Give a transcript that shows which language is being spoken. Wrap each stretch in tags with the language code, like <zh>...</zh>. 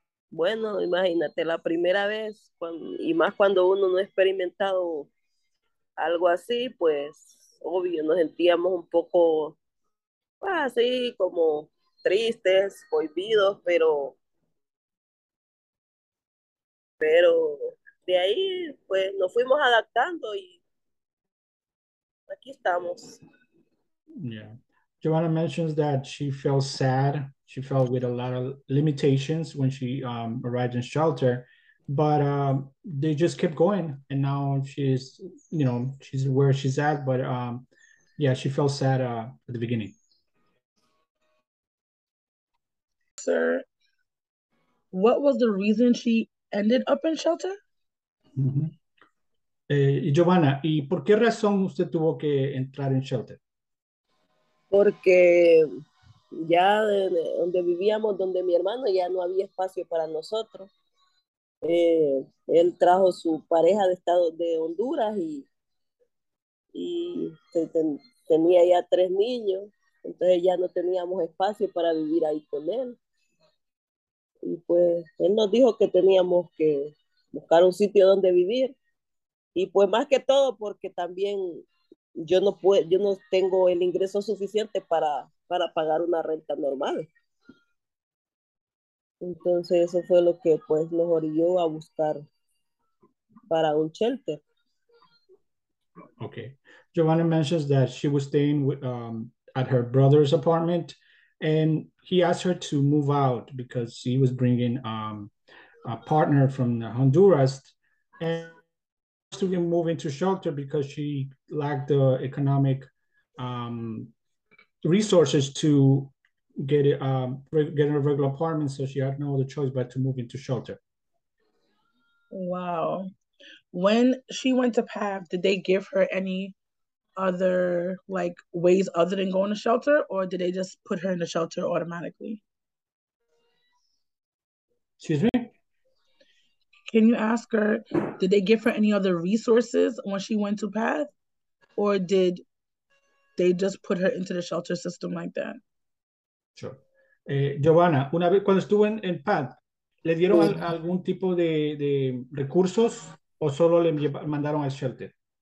<es>Bueno, imagínate, la primera vez, y más cuando uno no ha experimentado algo así, pues obvio, nos sentíamos un poco así, como tristes, cohibidos, pero de ahí, pues nos fuimos adaptando y aquí estamos.</es> <en>Yeah. Giovanna mentions that she felt sad. She felt with a lot of limitations when she arrived in shelter, but they just kept going. And now she's where she's at. But yeah, she felt sad at the beginning. Sir, what was the reason she ended up in shelter?</en> <es>Giovanna, ¿y por qué razón usted tuvo que entrar en shelter? Porque Ya donde vivíamos, donde mi hermano, ya no había espacio para nosotros. Él trajo su pareja de estado de Honduras y tenía ya 3 niños. Entonces ya no teníamos espacio para vivir ahí con él. Y pues él nos dijo que teníamos que buscar un sitio donde vivir. Y pues más que todo porque también yo no tengo el ingreso suficiente para pagar una renta normal. Entonces eso fue lo que pues nos orilló a buscar para un shelter.</es> <en>Okay. Giovanna mentions that she was staying with, at her brother's apartment, and he asked her to move out because he was bringing a partner from Honduras, and to be moving to shelter because she lacked the economic resources to get a regular apartment, so she had no other choice but to move into shelter. Wow. When she went to PATH, did they give her any other like ways other than going to shelter, or did they just put her in the shelter automatically? Excuse me? Can you ask her, did they give her any other resources when she went to PATH, or did they just put her into the shelter system like that? Sure.</en> <es>Giovanna, una vez cuando estuvo en PATH, ¿le dieron algún tipo de recursos o solo le mandaron al shelter?</es>